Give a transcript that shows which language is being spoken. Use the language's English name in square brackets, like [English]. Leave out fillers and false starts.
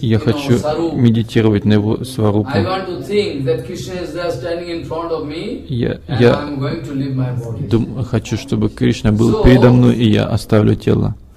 [Russian] Я хочу медитировать на его сварупу. [English] I want to think that Krishna is there standing in front of me. [Russian] Я хочу, чтобы Кришна был передо мной, и я оставлю тело.